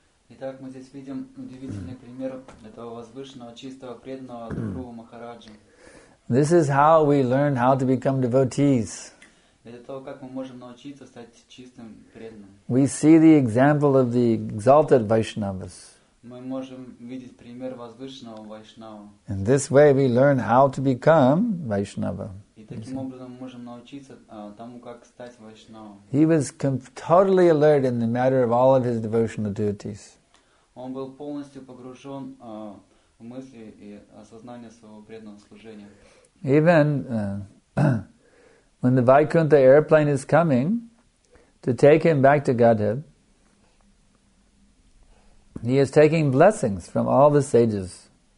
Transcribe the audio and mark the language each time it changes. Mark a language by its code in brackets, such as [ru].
[ru] Итак, мы здесь видим удивительный пример этого возвышенного, чистого, преданного Дхрувы Махараджи. [en] This is how we learn how to become devotees. [ru] Это то, как мы можем научиться стать чистым, преданным. [en] We see the example of the exalted Vaishnavas. [ru] Мы можем видеть пример возвышенного Вайшнава. [en] In this way we learn how to become Vaishnava. [ru] И таким образом мы можем научиться тому, как стать Вайшнава. [en] He was totally alert in the matter of all of his devotional duties. [ru] Он был полностью погружен в мысли и осознание своего преданного служения. [en] Even when the Vaikuntha airplane is coming to take him back to Godhead, he is taking blessings from all the sages.